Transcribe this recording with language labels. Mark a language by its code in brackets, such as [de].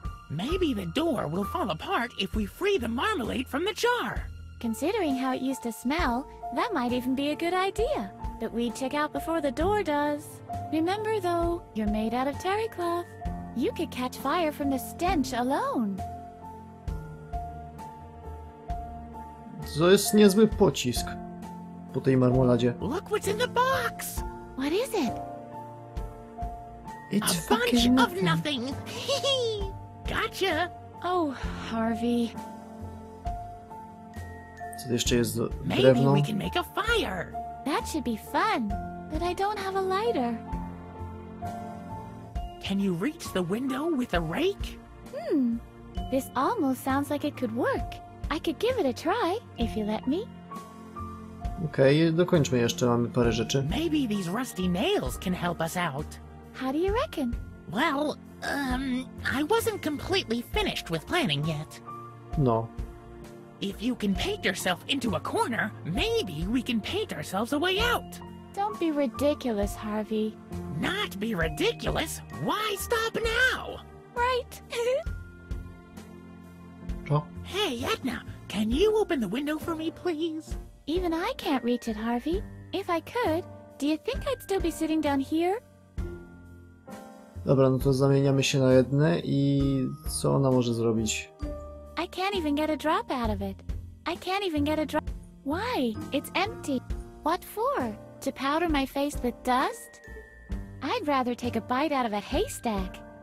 [en] Maybe the door will fall apart if we free the marmalade from the jar. Considering how it used to smell, that might even be a good idea. But we'd check out before the door does. Remember though, you're made out of terry cloth. You could catch fire from the stench alone. [pl] To jest niezły pocisk po tej marmoladzie. [en] Look what's in the box! What is it? It's a bunch of nothing! Gotcha! Oh, Harvey. [pl] Co to jeszcze jest [en] drewno? Maybe we can make a fire! That should be fun, but I don't have a lighter. Can you reach the window with a rake? This almost sounds like it could work. I could give it a try, if you let me. [pl] Okej, dokończmy jeszcze, mamy parę rzeczy. [en] Maybe these rusty nails can help us out. How do you reckon? Well, I wasn't completely finished with planning yet. No. If you can paint yourself into a corner, maybe we can paint ourselves a way out. Don't be ridiculous, Harvey. Not be ridiculous? Why stop now? Right. Hey, Edna, can you open the window for me, please? Even I can't reach it, Harvey. If I could, do you think I'd still be sitting down here? [pl] Dobra, no to zamieniamy się na Ednę i co ona może zrobić? [en] I can't even get a drop out of it. I can't even get a drop. Why? It's empty. What for? To powder my face with dust? I'd rather take a bite out of a haystack.